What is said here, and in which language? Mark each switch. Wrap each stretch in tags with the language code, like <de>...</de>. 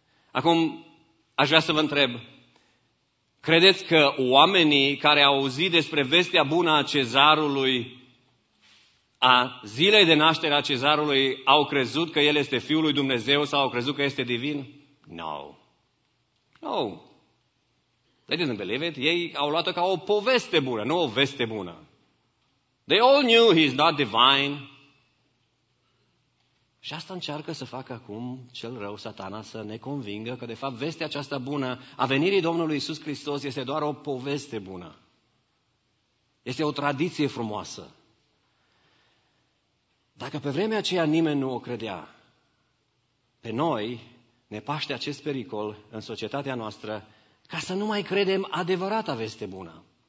<ro>Acum, aș vrea să vă întreb, credeți că oamenii care au auzit despre vestea bună a cezarului, a zilei de naștere a cezarului, au crezut că el este Fiul lui Dumnezeu sau au crezut că este divin?</ro> <en>No. No. They didn't believe it.</en> <ro>Ei au luat-o ca o poveste bună, nu o veste bună.</ro> <en>They all knew he is not divine.</en> <ro>Și asta încearcă să facă acum cel rău, Satana, să ne convingă că, de fapt, vestea aceasta bună a venirii Domnului Iisus Hristos este doar o poveste bună. Este o tradiție frumoasă. Dacă pe vremea aceea nimeni nu o credea, pe noi ne paște acest pericol în societatea noastră ca să nu mai credem adevărata veste bună.</ro>